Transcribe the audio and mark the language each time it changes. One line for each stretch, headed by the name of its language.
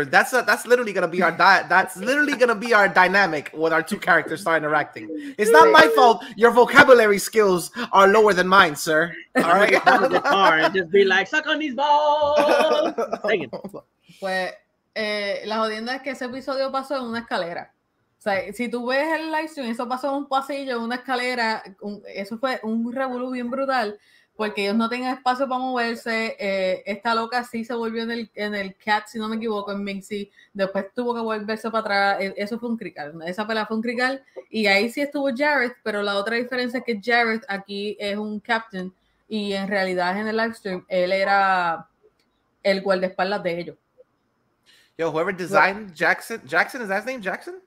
English: That's literally gonna be our dynamic when our two characters start interacting. It's not my fault. Your vocabulary skills are lower than mine, sir. All right. And just be like, suck on these balls.
Spanish: Pues, la jodienda es que ese episodio pasó en una escalera. O sea, si tú ves el live stream, eso pasó en un pasillo, en una escalera. Eso fue un revolú bien brutal. Porque ellos no tenían espacio para moverse. Esta loca sí se volvió en el cat, si no me equivoco, en Minxy. Después tuvo que volverse para atrás. Eso fue un crical. Esa pelea fue un crical. Y ahí sí estuvo Jareth, pero la otra diferencia es que Jareth aquí es un captain. Y en realidad, en el live stream, él era el guardaespaldas de ellos.
English: Yo, whoever designed Jackson, is that his name, Jackson?